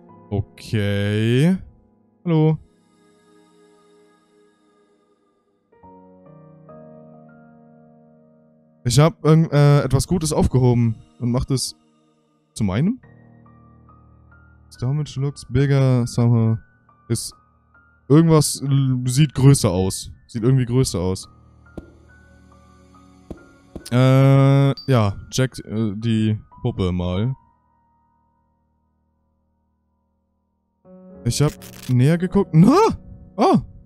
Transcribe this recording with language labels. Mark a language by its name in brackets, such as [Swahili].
[German] Okay. Hallo. Ich hab etwas Gutes aufgehoben und mach das zu meinem? [English] This damage looks bigger somehow. [German] Irgendwas sieht größer aus. Sieht irgendwie größer aus. Ja, check die Puppe mal. Ich hab näher geguckt. Na! Ah!